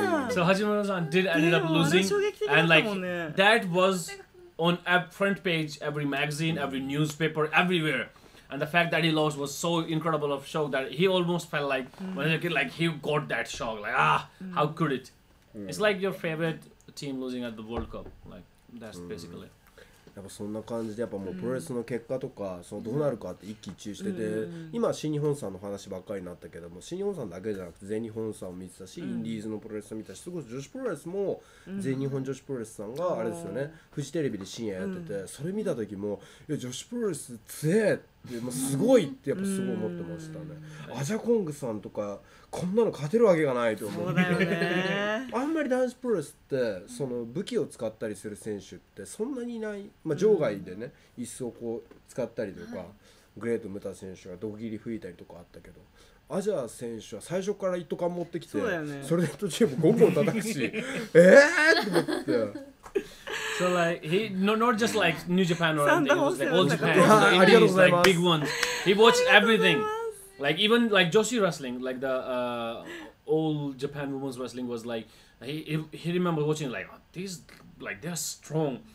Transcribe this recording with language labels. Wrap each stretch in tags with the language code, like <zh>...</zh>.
<en>So Hajimoto-san did end up losing, and like that was on a front page, every magazine, every newspaper, everywhere. And the fact that he lost was so incredible of shock that he almost felt like when he was a kid, like he got that shock, like how could it? It's like your favorite team losing at the World Cup, like that's basically.</en> <ja>やっぱそんな感じで、やっぱもうプロレスの結果とかそのどうなるかって一喜一憂してて、今新日本さんの話ばっかりになったけども、新日本さんだけじゃなくて全日本さんを見てたし、インディーズのプロレスを見てたし、すごい女子プロレスも全日本女子プロレスさんがあれですよね、フジテレビで深夜やってて、それ見た時もいや女子プロレス強えってもうすごいってやっぱすごい思ってましたね。アジャコングさんとかこんなの勝てるわけがないと思って。そうだよね。あんまり男子プロレスってその武器を使ったりする選手ってそんなにいない、まあ、場外でね、椅子をこう使ったりとか、グレートムタ選手がドギリ吹いたりとかあったけど、アジャ選手は最初から一斗缶持ってきて、そうだよね、それで途中も5本叩くし、と思って。</ja> <en>So like he not just like New Japan or anything, it was like all Japan, the Indies, like big ones. He watched everything. Like even like Joshi wrestling, like the old Japan women's wrestling was like, he remember watching like, oh, these, like they're strong.</en>